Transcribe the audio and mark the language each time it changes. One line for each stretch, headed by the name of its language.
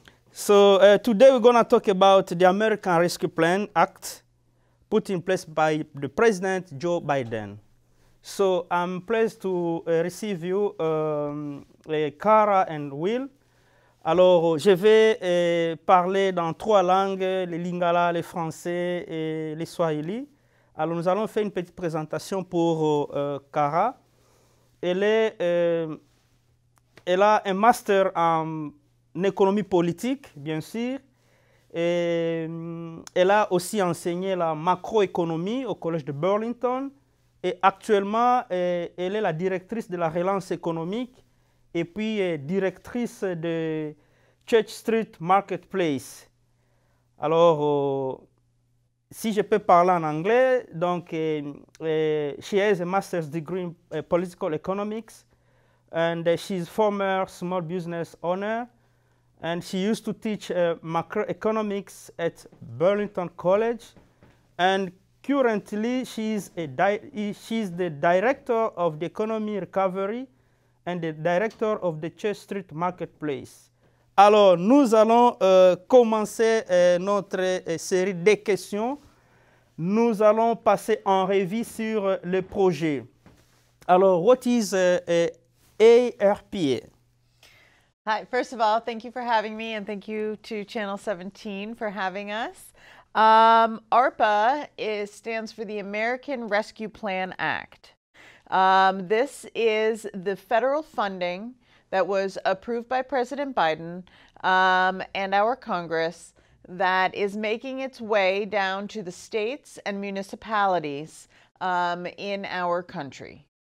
English: So today we're going to talk about the American Rescue Plan Act put in place by the President Joe Biden. So I'm pleased to receive you, Cara and Will.
French: Alors, je vais parler dans trois langues, le Lingala, le français et le Swahili. Alors, nous allons faire une petite présentation pour Cara. Elle a un master en économie politique, bien sûr. Et elle a aussi enseigné la macroéconomie au Collège de Burlington. Et actuellement, elle est la directrice de la relance économique et puis directrice de Church Street Marketplace. Alors, si je peux parler en anglais, donc,
English: she has a master's degree in political economics, and she's former small business owner, and she used to teach macroeconomics at Burlington College, and currently she's the director of the economy recovery and the director of the Church Street Marketplace.
French: Alors, nous allons commencer notre série de questions. Nous allons passer en revue sur le projet.
English: Alors, what is ARPA? Hi, first of all, thank you for having me and thank you to Channel 17 for having us. ARPA stands for the American Rescue Plan Act. This is the federal funding that was approved by President Biden and our Congress that is making its way down to the states and municipalities in our country.